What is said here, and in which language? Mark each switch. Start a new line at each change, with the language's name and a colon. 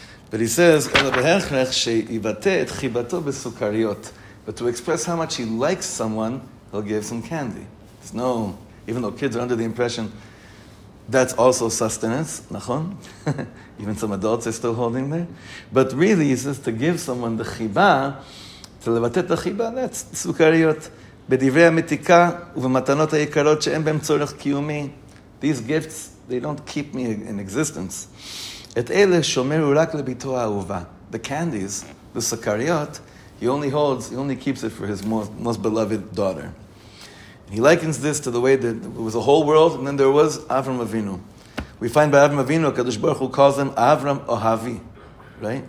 English: But he says, but to express how much he likes someone, he'll give some candy. There's no, even though kids are under the impression that's also sustenance, nachon? Even some adults are still holding there. But really, he says, to give someone the chiba, to levatet the chiba, that's sukariot.
Hebrew: בדברי המתיקה ובמתנות היקרות שאין בהם צורך קיומי,
English: these gifts, they don't keep me in existence.
Hebrew: Et ele shomeru rak lebito ahuva.
English: The candies, the sukariot, he only keeps it for his most beloved daughter. And he likens this to the way that it was a whole world, and then there was Avram Avinu. We find by Avram Avinu, Kadosh Baruch Hu calls him Avram Ohavi, right?